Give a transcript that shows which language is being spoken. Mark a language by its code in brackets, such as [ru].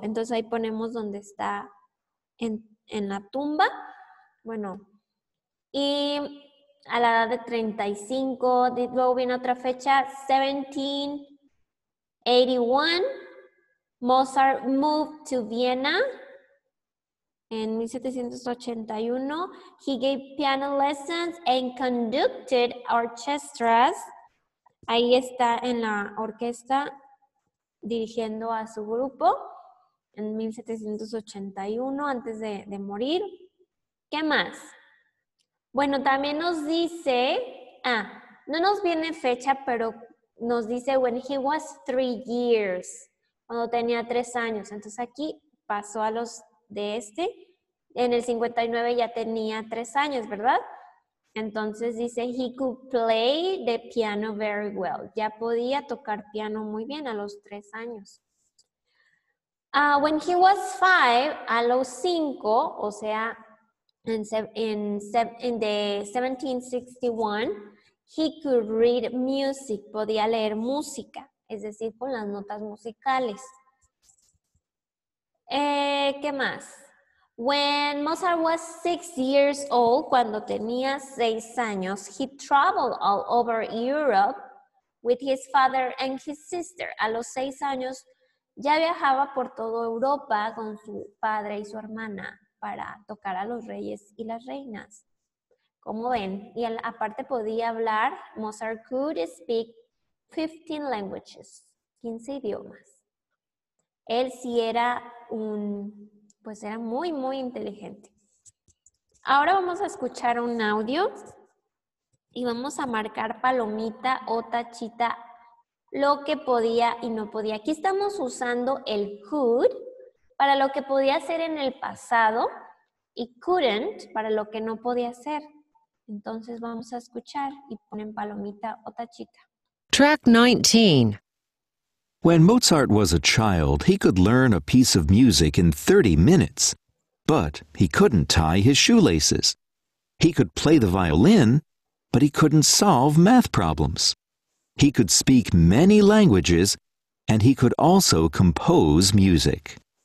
[es] Entonces ahí ponemos donde está en la tumba. Bueno, y a la edad de 35, luego viene otra fecha, 1781, [en] Mozart moved to Vienna. En 1781, he gave piano lessons and conducted orchestras. [es] Ahí está en la orquesta dirigiendo a su grupo en 1781, antes de morir. ¿Qué más? Bueno, también nos dice, no nos viene fecha, pero nos dice [en] when he was 3 years, [es] cuando tenía 3 años. Entonces aquí pasó a los de este. En el 59 ya tenía 3 años, ¿verdad? Entonces dice, [en] he could play the piano very well. [es] Ya podía tocar piano muy bien a los 3 años. [en] When he was 5, [es] a los 5, o sea, [en] in the 1761, he could read music, [es] podía leer música, es decir, con las notas musicales. ¿Qué más? [en] When Mozart was 6 years old, [es] cuando tenía 6 años, [en] he traveled all over Europe with his father and his sister. [es] A los 6 años ya viajaba por toda Europa con su padre y su hermana para tocar a los reyes y las reinas. ¿Cómo ven? Y él aparte podía hablar, [en] Mozart could speak 15 languages, [es] 15 idiomas. Él sí era pues era muy, muy inteligente. Ahora vamos a escuchar un audio y vamos a marcar palomita o tachita lo que podía y no podía. Aquí estamos usando el could para lo que podía hacer en el pasado y couldn't para lo que no podía hacer. Entonces vamos a escuchar y ponen palomita o tachita. [en] Track 19. When Mozart was a child, he could learn a piece of music in 30 minutes, but he couldn't tie his shoelaces. He could play the violin, but he couldn't solve math problems. He could speak many languages, and he could also compose music.